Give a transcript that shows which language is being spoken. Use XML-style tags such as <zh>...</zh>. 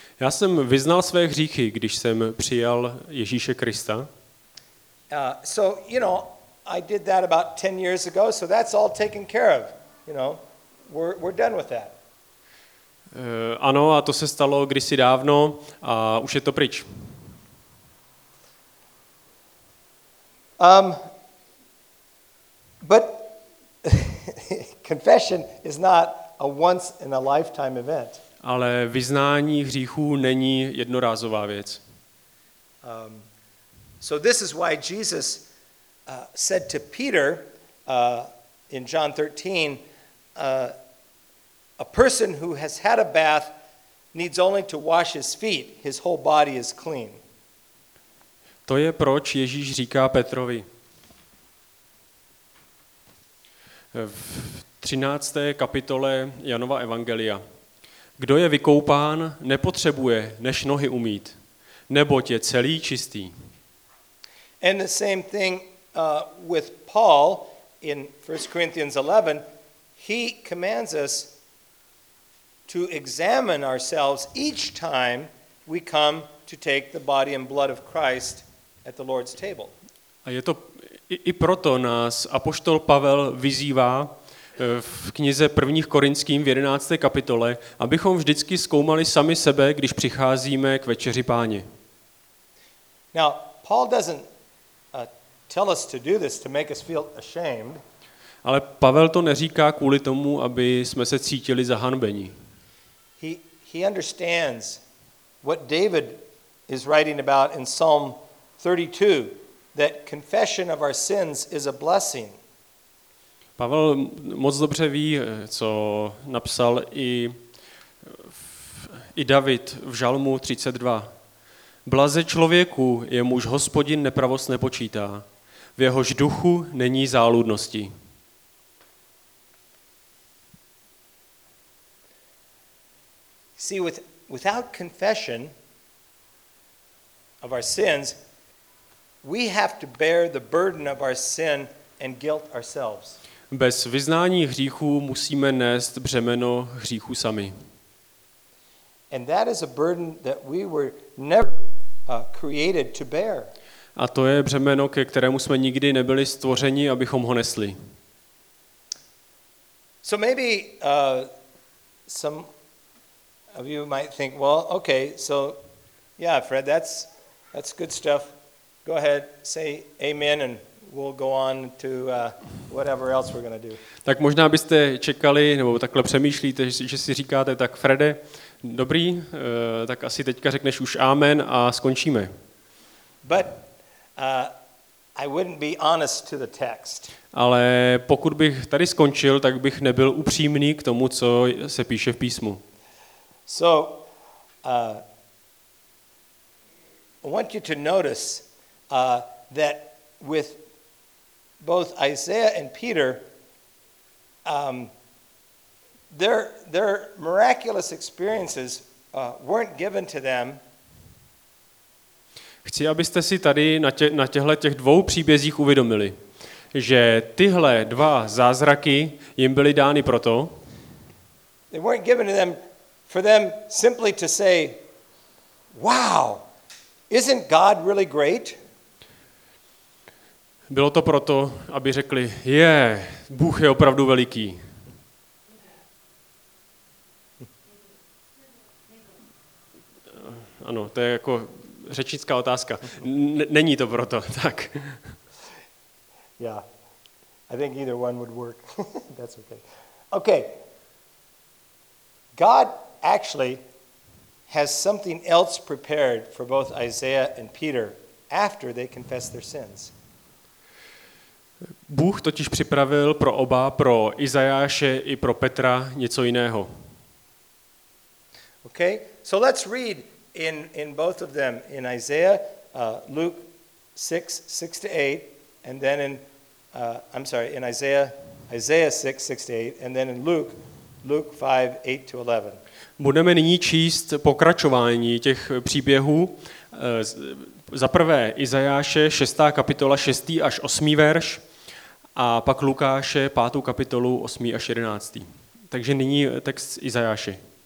<cs>Já jsem vyznal své hříchy, když jsem přijal Ježíše Krista.</cs> <en>So you know, I did that about 10 years ago, so that's all taken care of, you know. We're done with that.</en> <cs>Ano, a to se stalo kdysi dávno a už je to pryč.</cs> <en>But confession is not a once in a lifetime event.</en> <cs>Ale vyznání hříchů není jednorázová věc.</cs> <en>So this is why Jesus said to Peter in John 13, a person who has had a bath needs only to wash his feet, his whole body is clean.</en> <cs>To je proč Ježíš říká Petrovi. v 13. kapitole Janova evangelia. Kdo je vykoupán, nepotřebuje než nohy umýt, neboť je celý čistý.</cs> <en>And the same thing with Paul in 1 Corinthians 11, he commands us to examine ourselves each time we come to take the body and blood of Christ at the Lord's table.</en> <cs>A je to i proto nás apoštol Pavel vyzývá v knize 1. Korinským v 11. kapitole, abychom vždycky zkoumali sami sebe, když přicházíme k večeři Páně.</cs> <en>Now, Paul doesn't tell us to do this to make us feel ashamed.</en> <cs>Ale Pavel to neříká kvůli tomu, aby jsme se cítili zahanbeni.</cs> <en>He understands what David is writing about in Psalm 32, that confession of our sins is a blessing.</en> <cs>Pavel moc dobře ví, co napsal i David v Žalmu 32. Blaze člověku, jemuž Hospodin nepravost nepočítá, v jehož duchu není záludnosti.</cs> <en>See, without confession of our sins, we have to bear the burden of our sin and guilt ourselves.</en> <cs>Bez vyznání hříchů musíme nést břemeno hříchu sami.</cs> <en>And that is a burden that we were never created to bear.</en> <cs>A to je břemeno, ke kterému jsme nikdy nebyli stvořeni, abychom ho nesli.</cs> <en>So maybe some of you might think, well, okay, so yeah, Fred, that's good stuff. Go ahead, say amen and we'll go on to whatever else we're going to do.</en> <cs>Tak možná byste čekali nebo takhle přemýšlíte, že si říkáte tak Frede, dobrý, tak asi teďka řekneš už amen a skončíme.</cs> <en>But I wouldn't be honest to the text.</en> <cs>Ale pokud bych tady skončil, tak bych nebyl upřímný k tomu, co se píše v písmu.</cs> <en>So I want you to notice that with both Isaiah and Peter, their miraculous experiences weren't given to them.</en> <cs>Chci, abyste si tady na těchto těch dvou příbězích uvědomili, že tyhle dva zázraky jim byly dány proto.</cs> <en>They weren't given to them for them simply to say, "Wow, isn't God really great?"</en> <cs>Bylo to proto, aby řekli, je, Bůh je opravdu veliký. Ano, to je jako řečnická otázka. Není to proto, tak.</cs> <en>Yeah, I think either one would work. That's okay. Okay, God actually has something else prepared for both Isaiah and Peter after they confess their sins.</en> <cs>Bůh totiž připravil pro oba, pro Izajáše i pro Petra něco jiného.</cs> <en>Okay, so let's read in both of them in Isaiah Luke 6:6-8 and then in in Isaiah 6:6-8 and then in Luke 5:8-11.</en> <cs>Budeme nyní číst pokračování těch příběhů. Za prvé Izajáše 6. kapitola 6. až 8. verš. A pak Lukáše, 5. kapitolu, 8. až 11. Takže nyní text Izajáši.</cs>